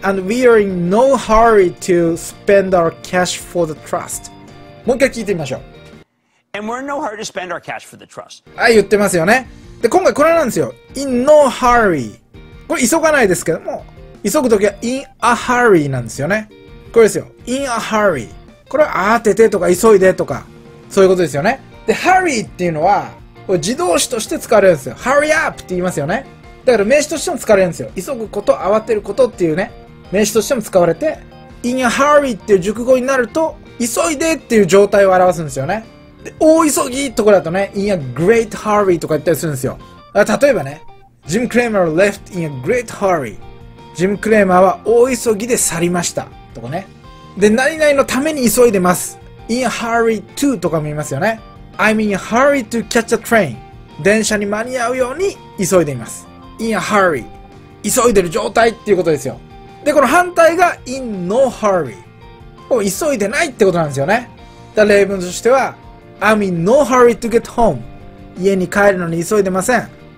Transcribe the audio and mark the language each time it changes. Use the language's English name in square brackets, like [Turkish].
[English] And we are in no hurry to spend our cash for the trust。 [Japanese] もう一回聞いてみましょう。 [English] And we're in no hurry to spend our cash for the trust。 [Japanese] はい、言ってますよね。で、今回これなんですよ。 [English] In no hurry、 [Japanese] これ急がないですけども、急ぐときは [English] In a hurry [Japanese] なんですよね。これですよ。 [English] In a hurry、 [Japanese] これは慌ててとか急いでとか、そういうことですよね。で、 hurry っていうのはこれ自動詞として使われるんですよ。 [English] hurry up [Japanese] って言いますよね。だから名詞としても使われるんですよ。急ぐこと、慌てることっていうね、名詞としても使われて、 [English] in a hurry [Japanese] っていう熟語になると、急いでっていう状態を表すんですよね。で、大急ぎとかだとね、 [English] in a great hurry [Japanese] とか言ったりするんですよ。だから例えばね、 [English] ジム・クレーマー left in a great hurry。 [Japanese] ジム・クレーマーは大急ぎで去りました。とかね。で、何々のために急いでます。 [English] in a hurry to [Japanese] とかも言いますよね。 [English] I'm in a hurry to catch a train。 [Japanese] 電車に間に合うように急いでいます。 [English] In a hurry、 [Japanese] 急いでる状態っていうことですよ。で、この反対が [English] In no hurry、 [Japanese] もう急いでないってことなんですよね。だ、例文としては [English] I'm in no hurry to get home、 [Japanese] 家に帰るのに急いでません。